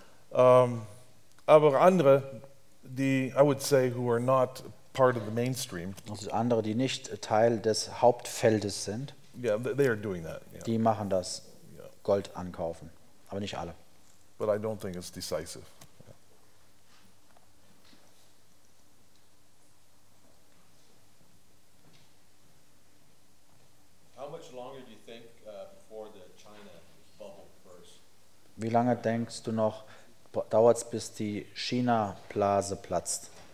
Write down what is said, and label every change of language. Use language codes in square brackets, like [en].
[de] Aber andere, die, [en] I would say, who are not part of the mainstream. [de] Also andere, die nicht Teil des Hauptfeldes sind. [en] Yeah, they are doing that. Yeah. [de] Die machen das, Gold ankaufen, aber nicht alle. [en] But I don't think it's decisive. How much longer do you think before the China bubble bursts? [de] Wie lange denkst du noch, dauert's bis die China Blase platzt?